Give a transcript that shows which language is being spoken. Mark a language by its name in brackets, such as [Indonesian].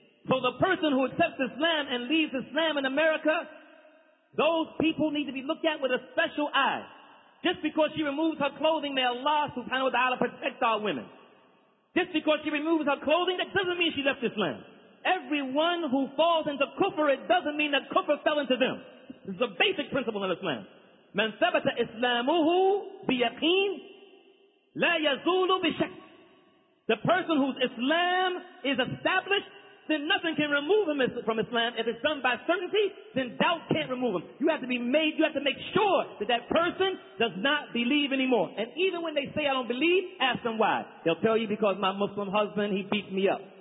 [English] So the person who accepts Islam and leaves Islam in America, those people need to be looked at with a special eye. Just because she removes her clothing, may Allah subhanahu wa ta'ala protect our women. Just because she removes her clothing, that doesn't mean she left Islam. Everyone who falls into kufr, it doesn't mean that kufr fell into them. This is a basic principle in Islam. [Arabic] من ثبت إسلامه بيقين لا يزول بشك. [English] The person whose Islam is established, then nothing can remove him from Islam. If it's done by certainty, then doubt can't remove him. You have to make sure that person does not believe anymore. And even when they say, I don't believe, ask them why. They'll tell you, because my Muslim husband, he beats me up.